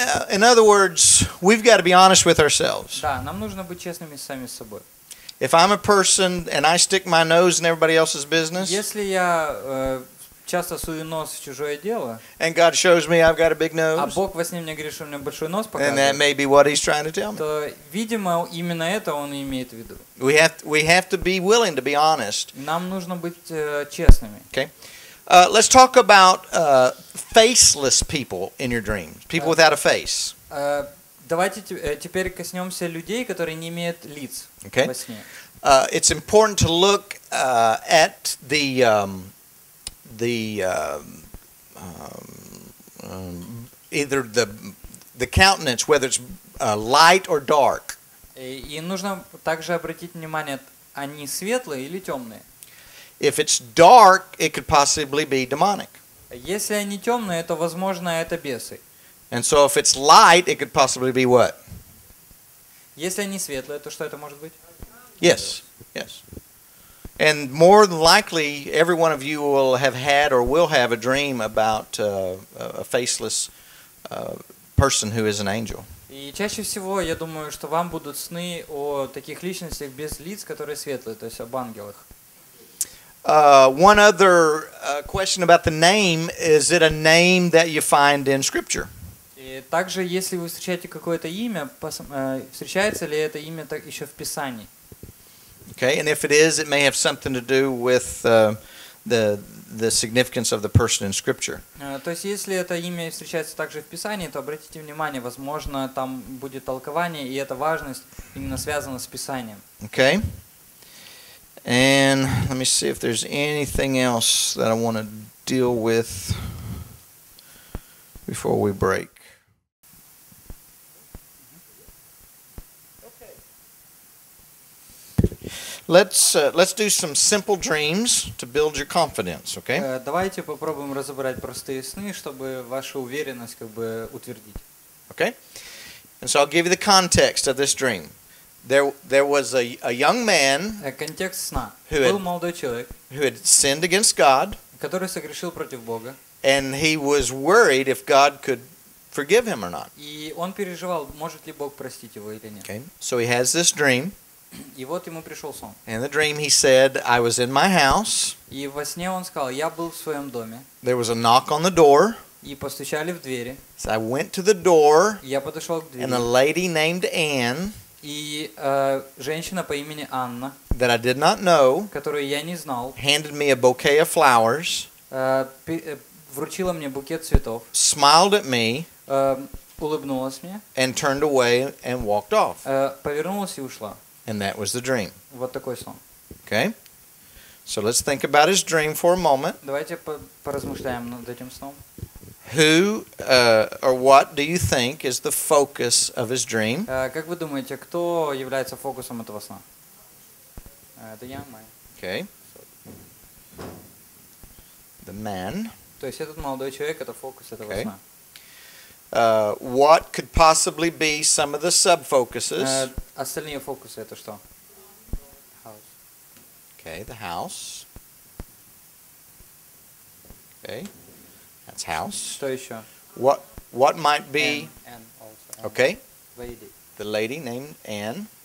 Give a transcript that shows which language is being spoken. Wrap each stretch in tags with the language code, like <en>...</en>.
<en>In other words, we've got to be honest with ourselves.</en> <ru>Да, нам нужно быть честными с самим собой.</ru> <en>If I'm a person and I stick my nose in everybody else's business,</en> <ru>если я часто сую нос в чужое дело,</ru> <en>and God shows me I've got a big nose,</en> <ru>а Бог во сне мне говорит, что у меня большой нос показывает,</ru> <en>and that may be what He's trying to tell me.</en> <ru>То, видимо, именно это Он и имеет в виду.</ru> <en>We have to be willing to be honest.</en> <ru>Нам нужно быть честными.</ru> <en>Okay. Let's talk about faceless people in your dreams. People without a face.</en> <ru>Давайте теперь коснемся людей, которые не имеют лиц во сне.</ru> <en>Okay. It's important to look at the countenance, whether it's light or dark.</en> <ru>И нужно также обратить внимание, они светлые или темные.</ru> <en>If it's dark, it could possibly be demonic.</en> <ru>Если они темные, то возможно это бесы.</ru> <en>And so if it's light, it could possibly be what?</en> <ru>Если они светлые, то что это может быть?</ru> <en>Yes. Yes. And more than likely, every one of you will have had or will have a dream about a faceless person who is an angel.</en> <ru>И чаще всего, я думаю, что вам будут сны о таких личностях без лиц, которые светлые, то есть об ангелах.</ru> <en>One other question about the name, is it a name that you find in Scripture?</en> <ru>И также, если вы встречаете какое-то имя, встречается ли это имя так еще в Писании?</ru> <en>Okay, and if it is, it may have something to do with the significance of the person in Scripture.</en> <ru>То есть, если это имя встречается также в Писании, то обратите внимание, возможно, там будет толкование, и эта важность именно связана с Писанием.</ru> <en>Okay. And let me see if there's anything else that I want to deal with before we break. Okay. Let's do some simple dreams to build your confidence, okay?</en> <ru>Давайте попробуем разобрать простые сны, чтобы вашу уверенность как бы утвердить.</ru> <en>Okay? And so I'll give you the context of this dream. There was a young man who had sinned against God,</en> <ru>который согрешил против Бога,</ru> <en>and he was worried if God could forgive him or not.</en> <ru>И он переживал, может ли Бог простить его или нет.</ru> <en>Okay. So he has this dream.</en> <ru>И вот ему пришел сон.</ru> <en>In the dream he said, I was in my house.</en> <ru>И во сне он сказал, я был в своем доме.</ru> <en>There was a knock on the door.</en> <ru>И постучали в двери.</ru> <en>So I went to the door.</en> <ru>Я подошел к двери.</ru> <en>And a lady named Anne.</en> <ru>И женщина по имени Анна,</ru> <en>that I did not know,</en> <ru>которую я не знал,</ru> <en>handed me a bouquet of flowers,</en> <ru>вручила мне букет цветов,</ru> <en>smiled at me,</en> <ru>улыбнулась мне,</ru> <en>and turned away and walked off.</en> <ru>Повернулась и ушла.</ru> <en>And that was the dream.</en> <ru>Вот такой сон.</ru> <en>Okay. So let's think about his dream for a moment.</en> <ru>Давайте поразмышляем над этим сном.</ru> <en>Who or what do you think is the focus of his dream?</en> <ru>Как вы думаете, кто является фокусом этого сна?</ru> <en>The young man. Okay. The man.</en> <ru>То есть этот молодой человек это фокус этого</ru> <en>okay.</en> <ru>сна.</ru> <en>What could possibly be some of the sub-focuses?</en> <ru>Остальные фокусы это что?</ru> <en>House. Okay, the house. Okay. That's house.</en> <ru>Что еще?</ru> <en>What might be? Anne also. Anne. Okay. Lady. The lady named Anne.</en>